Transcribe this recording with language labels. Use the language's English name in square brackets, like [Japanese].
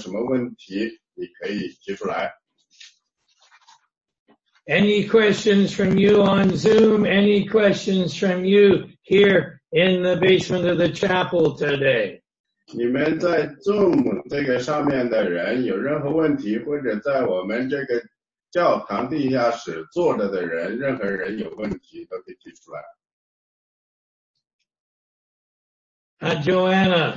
[Chinese] 我们在我们进到第四章之前呢，我们开始让大家来提问，因为这一节并不是很难，并不是很容易理解的一章，而且呢也是很难去理解这个的。所以如果你有什么问题，你可以提出来。 [English] Any questions from you on Zoom? Any questions from you here in the basement of the chapel today? [Chinese] 你们在Zoom这个上面的人，有任何问题，或者在我们这个教堂地下室坐着的人，任何人有问题都可以提出来。Joanna